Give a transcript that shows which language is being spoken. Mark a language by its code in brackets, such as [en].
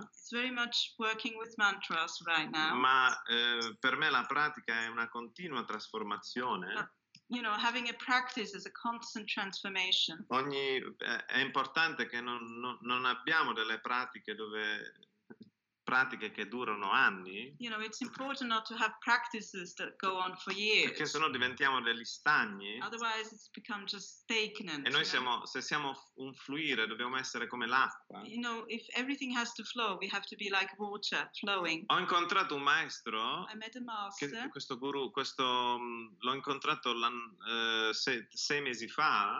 [en] It's very much working with mantras right now. [it] Ma per me la pratica è una continua trasformazione. [en] But, you know, having a practice is a constant transformation. [it] È importante che non abbiamo delle pratiche dove pratiche che durano anni. [en] You know, it's important not to have practices that go on for years. [it] Perché sennò diventiamo degli stagni. [en] Otherwise it's become just stagnant. [it] E noi siamo, se siamo un fluire, dobbiamo essere come l'acqua. [en] You know, if everything has to flow, we have to be like water flowing. [it] Ho incontrato un maestro. [en] I met a master. [it] Che, questo guru, questo l'ho incontrato sei mesi fa.